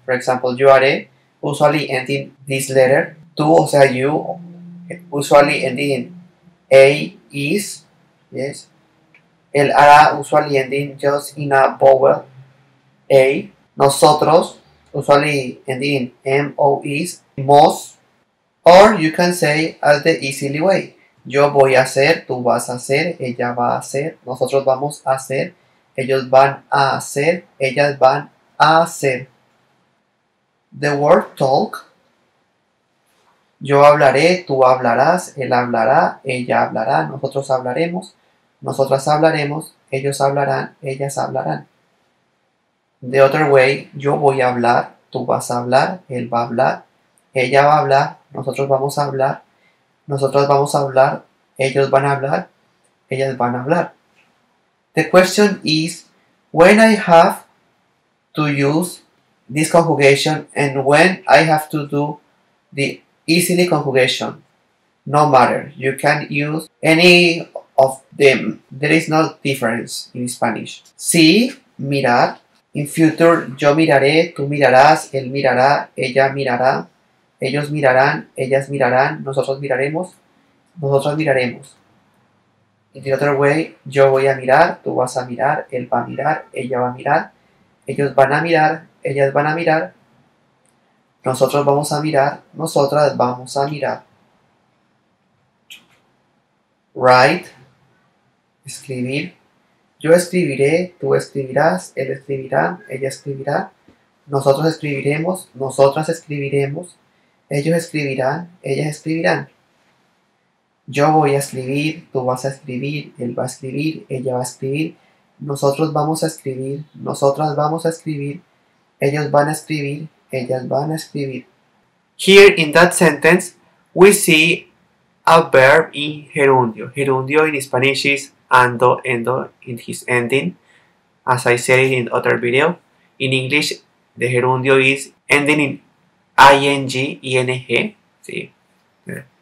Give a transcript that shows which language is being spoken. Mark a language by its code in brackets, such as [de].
[en] For example, [es] yo haré, [en] usually ending this letter, [es] tú, o sea, [en] you, usually ending in a, is, yes. [es] El hará [en] usually ending just in a vowel, a. Nosotros usually ending in m o is, mos. Or you can say as the easily way. [es] Yo voy a hacer, tú vas a hacer, ella va a hacer, nosotros vamos a hacer, ellos van a hacer, ellas van a hacer. [en] The word talk. [es] Yo hablaré, tú hablarás, él hablará, ella hablará, nosotros hablaremos. Nosotras hablaremos, ellos hablarán, ellas hablarán. [en] The other way, [es] yo voy a hablar, tú vas a hablar, él va a hablar, ella va a hablar, nosotros vamos a hablar, nosotras vamos a hablar, ellos van a hablar, ellas van a hablar. [en] The question is, when I have to use this conjugation and when I have to do the easily conjugation? No matter, you can use any of them. There is no difference in Spanish. [es] Sí, mirar. [en] In future, [es] yo miraré, tú mirarás, él mirará, ella mirará, ellos mirarán, ellas mirarán, nosotros miraremos, nosotros miraremos. [en] In the other way, [es] yo voy a mirar, tú vas a mirar, él va a mirar, ella va a mirar, ellos van a mirar, ellas van a mirar, nosotros vamos a mirar, nosotras vamos a mirar. Right. Escribir. Yo escribiré, tú escribirás, él escribirá, ella escribirá, nosotros escribiremos, nosotras escribiremos, ellos escribirán, ellas escribirán. Yo voy a escribir, tú vas a escribir, él va a escribir, ella va a escribir, nosotros vamos a escribir, nosotras vamos a escribir, ellos van a escribir, ellas van a escribir. [en] Here in that sentence, we see a verb in gerundio. Gerundio in Spanish is ando, endo, in his ending. As I said it in other video, in English, the gerundio is ending in ing, ing. Sí. Yeah.